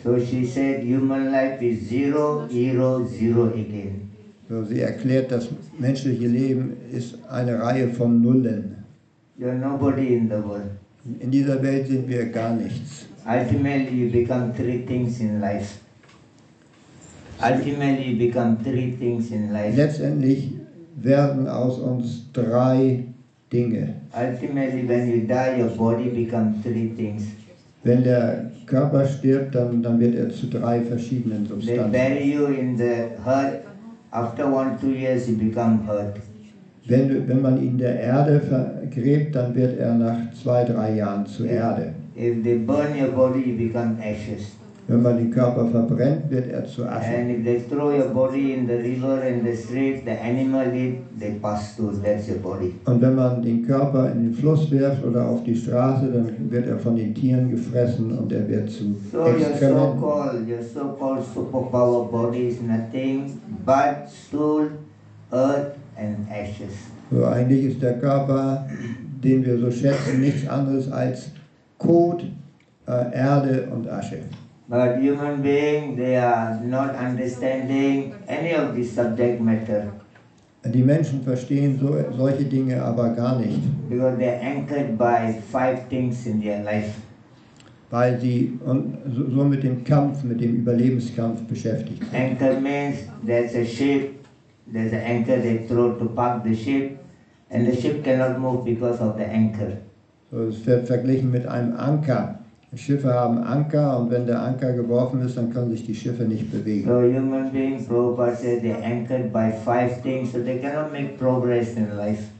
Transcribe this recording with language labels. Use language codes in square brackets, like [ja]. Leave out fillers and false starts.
[en] So she said, human life is zero, hero, zero again. [de] So sie erklärt, das menschliche Leben ist eine Reihe von Nullen. [en] You are nobody in the world. [de] In dieser Welt sind wir gar nichts. [en] Ultimately, you become three things in life. Ultimately, you become three things in life. [de] Letztendlich werden aus uns drei Dinge. [en] Ultimately, when you die, your body becomes three things. [de] Wenn der Körper stirbt, dann wird zu drei verschiedenen Substanzen. [en] They bury you in the earth. After 1-2 years, you become earth. [de] Wenn man ihn in der Erde vergräbt, dann wird nach 2-3 Jahren zur Erde. [en] If they burn your body, you become ashes. [de] Wenn man den Körper verbrennt, wird zu Asche. [en] And if they throw your body in the river, in the street, the animal eat, they pass through, that's your body. [de] Und wenn man den Körper in den Fluss wirft oder auf die Straße, dann wird von den Tieren gefressen und wird zu Exkrement. [en] So your so-called superpower body is nothing but soul, earth, and ashes. [de] So eigentlich ist der Körper, den wir so schätzen, nichts anderes als Kot, Erde und Asche. [en] But human beings, they are not understanding any of this subject matter. [de] Die Menschen verstehen solche Dinge aber gar nicht. [en] Because they are anchored by 5 things in their life. [de] Weil sie so mit dem Kampf, mit dem Überlebenskampf beschäftigt sind. [en] Anchor means there's a ship. There's an anchor they throw to park the ship, and the ship cannot move because of the anchor. [de] So es wird verglichen mit einem Anker. Schiffe haben Anker, und wenn der Anker geworfen ist, dann können sich die Schiffe nicht bewegen. [en] So human beings, Prabhupada said, they're anchored by 5 things, so they cannot make progress in life.